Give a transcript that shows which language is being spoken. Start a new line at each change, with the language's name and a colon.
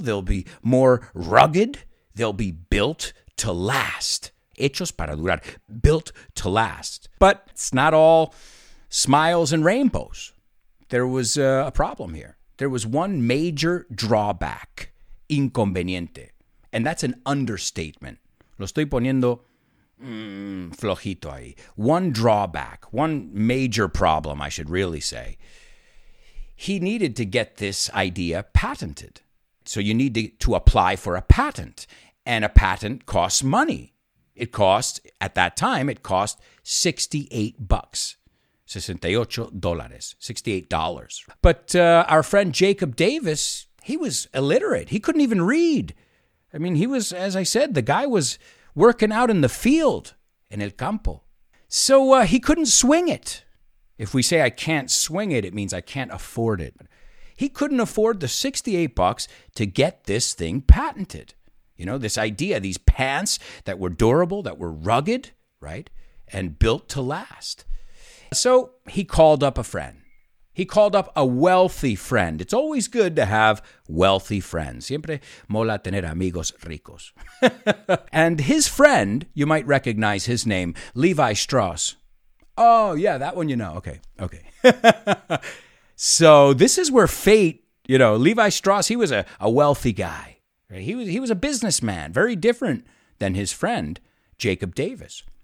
English: They'll be more rugged. They'll be built to last.
Spanish: Hechos para durar,
English: built to last. But it's not all smiles and rainbows. There was a problem here. There was one major drawback, inconveniente. And that's an understatement.
Spanish: Lo estoy poniendo flojito ahí.
English: One drawback, one major problem, I should really say. He needed to get this idea patented. So you need to apply for a patent. And a patent costs money. It cost, at that time, it cost $68. $68. $68. But our friend Jacob Davis, he was illiterate. He couldn't even read. I mean, he was, as I said, the guy was working out in the field, in
Spanish: el campo.
English: So he couldn't swing it. If we say I can't swing it, it means I can't afford it. He couldn't afford the $68 to get this thing patented. You know, this idea, these pants that were durable, that were rugged, right? And built to last. So he called up a friend. He called up a wealthy friend. It's always good to have wealthy friends.
Spanish: Siempre mola tener amigos ricos.
English: And his friend, you might recognize his name, Levi Strauss. Oh, yeah, that one you know. Okay, okay. So this is where fate, you know, Levi Strauss, he was a wealthy guy. Right? He was a businessman, very different than his friend, Jacob Davis.